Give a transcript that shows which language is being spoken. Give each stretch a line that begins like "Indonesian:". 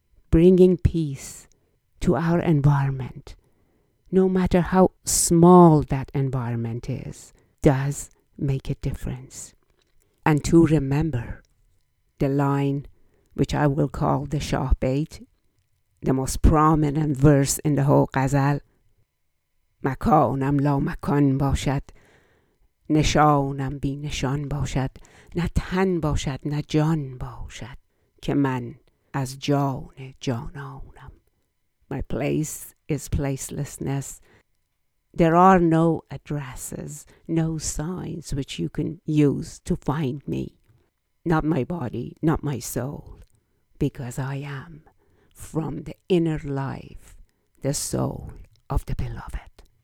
English: Bringing peace to our environment, no matter how small that environment is, does make a difference. And to remember the line, which I will call the Shah Bait, the most prominent verse in the whole ghazal.
Persian: مکانم لا مکان باشد، نشانم بی نشان باشد، نه تن باشد نه جان باشد، که من از جان جانانم.
English: My place is placelessness. There are no addresses, no signs which you can use to find me. Not my body, not my soul, because I am from the inner life, the soul of the beloved.